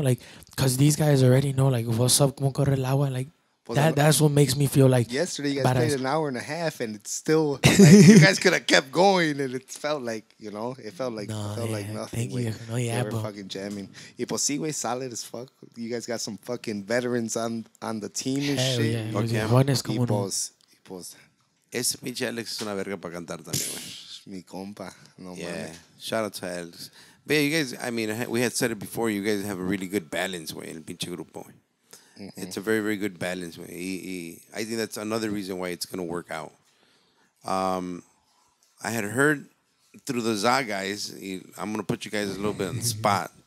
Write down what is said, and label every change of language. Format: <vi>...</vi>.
<en>Like, because these guys already know, like, what's up,</en> <es>como corre el agua,</es> <en>like, that's what makes me feel like... Yesterday, you guys played an hour and a half, and it's still... Like, you guys could have kept going, and it felt like, you know? It felt like nothing. Thank like, you. No, yeah, bro. Fucking jamming.</en> <es>Y pues sí, güey,</es> <en>solid as fuck. You guys got some fucking veterans on the team and hell shit. Hell yeah. Okay. Okay.</en> <es>Juan es como y pues... No. Ese pinche Alex es una verga para cantar también, güey. Mi compa. No,</es> <en>yeah. Man. Shout out to Alex. But yeah, you guys, I mean, we had said it before, you guys have a really good balance, güey,</en> <es>el pinche grupo, güey.</es> <en>Mm-hmm. It's a very, very good balance. I think that's another reason why it's going to work out. I had heard through the Za guys, I'm going to put you guys a little bit on the spot.</en>